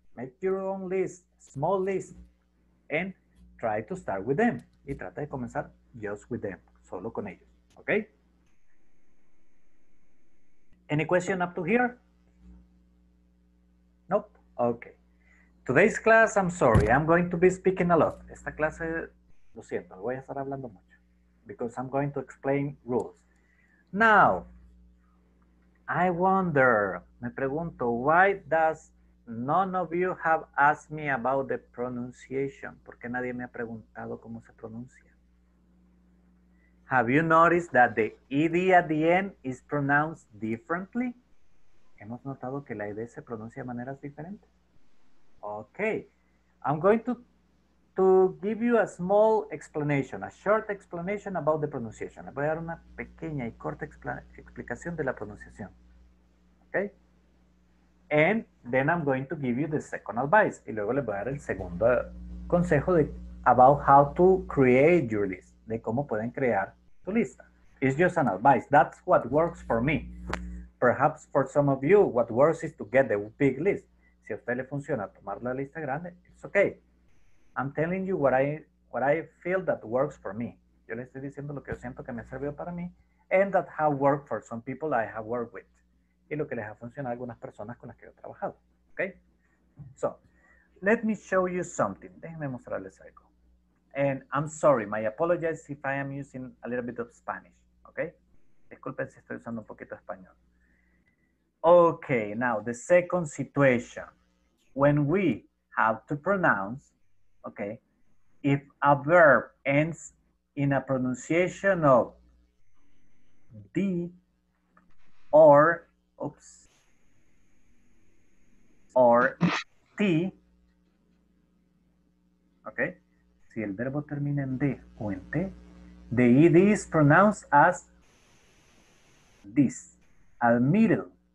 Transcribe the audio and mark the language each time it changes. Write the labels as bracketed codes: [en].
[en] Make your own list, small list. And try to start with them. [es] Y trata de comenzar [en] just with them. [es] Solo con ellos. Okay? [en] Any question up to here? Nope. Okay. Today's class, I'm sorry, I'm going to be speaking a lot. [es] Esta clase, lo siento, voy a estar hablando mucho. [en] Because I'm going to explain rules. Now, I wonder, [es] me pregunto, [en] why does none of you have asked me about the pronunciation? [es] ¿Por qué nadie me ha preguntado cómo se pronuncia? [en] Have you noticed that the ED at the end is pronounced differently? [es] ¿Hemos notado que la ED se pronuncia de maneras diferentes? [en] Okay, I'm going to give you a small explanation, a short explanation about the pronunciation. [es] Voy a dar una pequeña y corta explicación de la pronunciación. [en] Okay? And then I'm going to give you the second advice. [es] Y luego les voy a dar el segundo consejo de, [en] about how to create your list, [es] de cómo pueden crear tu lista. [en] It's just an advice. That's what works for me. Perhaps for some of you, what works is to get the big list. [es] Si a usted le funciona tomar la lista grande, [en] it's okay. I'm telling you what I feel that works for me. [es] Yo le estoy diciendo lo que yo siento que me sirvió para mí [en] and that have worked for some people I have worked with. [es] Y lo que les ha funcionado a algunas personas con las que yo he trabajado. [en] Okay? So, let me show you something. [es] Déjenme mostrarles algo. [en] And I'm sorry, my apologies if I am using a little bit of Spanish. [es] Okay? Disculpen si estoy usando un poquito español. [en] Okay, now the second situation. When we have to pronounce, okay, if a verb ends in a pronunciation of D or, oops, or T, okay, [es] si el verbo termina en D o en T, [en] the ED is pronounced as this, al middle.